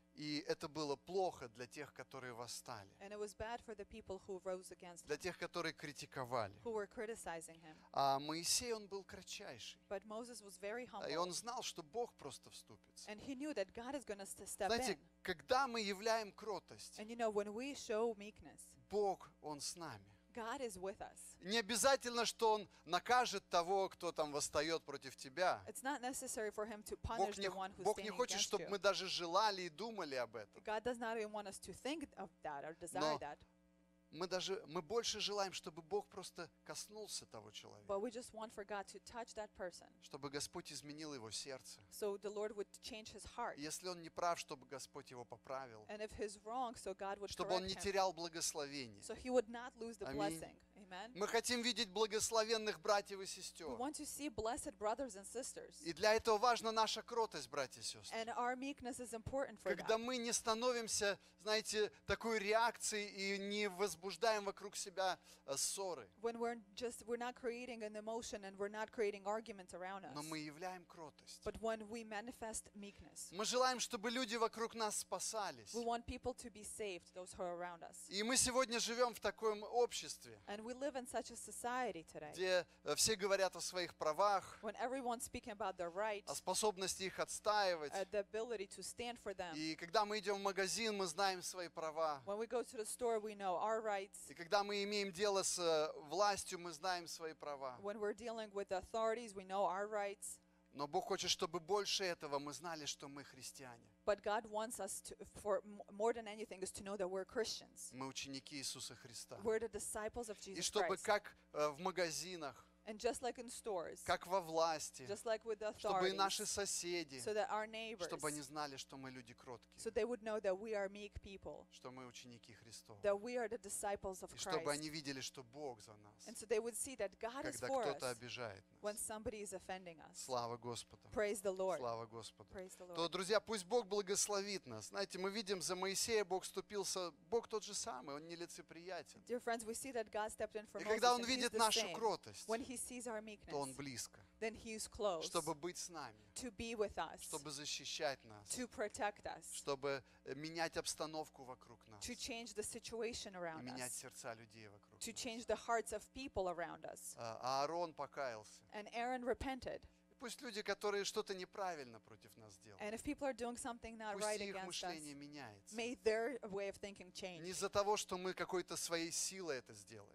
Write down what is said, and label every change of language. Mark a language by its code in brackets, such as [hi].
[ru] И это было плохо для тех, которые восстали. [en] And it was bad for the people who rose against him. [ru] Для тех, которые критиковали. [en] Who were criticizing him. [ru] А Моисей, он был кратчайший. [en] But Moses was very humble. [ru] И он знал, что Бог просто вступится. [en] And he knew that God is going to step [ru] знаете, [en] in. [ru] Знаете, когда мы являем кротость, [en] and you know, when we show meekness, [ru] Бог, он с нами. [en] God is with us. [ru] Не обязательно, что он накажет того, кто там восстает против тебя. [en] It's not necessary for him to punish the one who's standing against you. [ru] Бог не хочет, чтобы мы даже желали и думали об этом. [en] God does not even want us to think of that or desire that. [ru] Мы больше желаем, чтобы Бог просто коснулся того человека. [en] But we just want for God to touch that person. [ru] Чтобы Господь изменил его сердце. [en] So the Lord would change his heart. [ru] Если он не прав, чтобы Господь его поправил. [en] And if he's wrong, so God would correct him. [ru] Чтобы он не терял благословение. [en] So he would not lose the blessing. Amen. [ru] Мы хотим видеть благословенных братьев и сестер. [en] We want to see blessed brothers and sisters. [ru] И для этого важна наша кротость, братья и сестры. [en] And our meekness is important for [ru] Когда [en] that. [ru] Мы не становимся, знаете, такой реакцией и не возбуждаем вокруг себя ссоры. [en] When we're not creating an emotion and we're not creating arguments around us. [ru] Но мы являем кротость. [en] But when we manifest meekness. [ru] Мы желаем, чтобы люди вокруг нас спасались. [en] We want people to be saved, those who are around us. [ru] И мы сегодня живем в таком обществе, [en] and we live in such a society today, [ru] где все говорят о своих правах, [en] when everyone's speaking about their rights, [ru] о способности их отстаивать, [en] the ability to stand for them. [ru] И когда мы идем в магазин, мы знаем свои права. [en] When we go to the store, we know our rights. [ru] И когда мы имеем дело с властью, мы знаем свои права. [en] When we're dealing with the authorities, we know our rights. [ru] Но Бог хочет, чтобы больше этого мы знали, что мы христиане. [en] But God wants us to, for more than anything, is to know that we're Christians. [ru] Мы ученики Иисуса Христа. [en] We're the disciples of Jesus Christ. [ru] И чтобы как в магазинах, [en] and just like in stores, [ru] как во власти, [en] just like with the authorities, [ru] чтобы и наши соседи, [en] so that our neighbors, [ru] чтобы они знали, что мы люди кроткие, [en] so they would know that we are meek people, [ru] что мы ученики Христа, [en] that we are the disciples of [ru] Christ, и чтобы они видели, что Бог за нас, [en] and so they would see that God is for us, [ru] когда кто-то обижает нас, [en] when somebody is offending us. [ru] Слава Господу. [en] Praise the Lord. [ru] Слава Господу. [en] Praise the Lord. [ru] То, друзья, пусть Бог благословит нас. Знаете, мы видим, за Моисея Бог ступился, Бог тот же самый, Он не лицеприятен. [en] Dear friends, we see that God stepped in for Moses. [ru] И когда Он видит нашу кротость, [en] when He sees our meekness, [ru] то Он близко, [en] then He is close, [ru] чтобы быть с нами, [en] to be with us, [ru] чтобы защищать нас, [en] to protect us, [ru] чтобы менять обстановку вокруг нас, [en] to change the situation around us, [ru] и менять сердца людей вокруг нас, [en] to change the hearts of people around us. [ru] Аарон покаялся. [en] And Aaron repented. [ru] Пусть люди, которые что-то неправильно против нас делают, пусть их мышление меняется. Не из-за того, что мы какой-то своей силой это сделали.